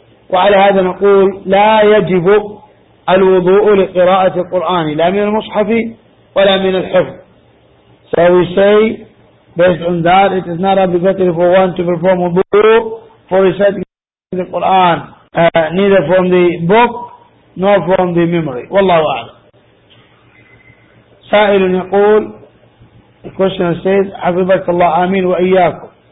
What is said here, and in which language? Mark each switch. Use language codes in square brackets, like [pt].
[ar] وعلى هذا نقول لا يجب الوضوء لقراءة القرآن لا من المصحف ولا من الحفظ. [en] So we say based on that it is not obligatory for one to perform a wudu for reciting the Quran neither from the book nor from the memory. [ar] والله أعلم. سائل يقول [en] the question says [ar] حفظك الله آمين وإياكم.